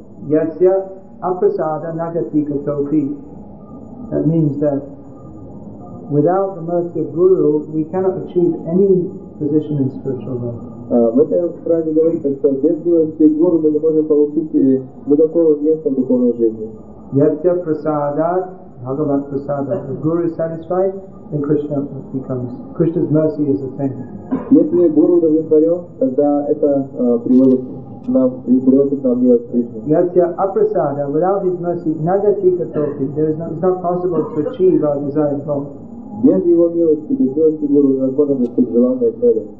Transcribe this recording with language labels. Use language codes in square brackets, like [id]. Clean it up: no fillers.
[sa] Yasya aprasada nagatika topi. [en] That means that without the mercy of Guru, we cannot achieve any position in spiritual life. [ru] В этой фразе говорится, что без милости Гуру мы не можем получить никакого места в духовной жизни. [sa] Yatya prasadat, Bhagavat prasadat. [en] If Guru is satisfied, then Krishna becomes, Krishna's mercy is attained. [ru] Если Гуру удовлетворен, тогда это приводит нам, и приводит нам милость Кришны. [sa] Yatya aprasadat, [en] without his mercy, [sa] nagatika topi, [en] there is not possible to achieve our desired goal. [ru] Без его милости, без милости Гуру, невозможно достичь желанной цели.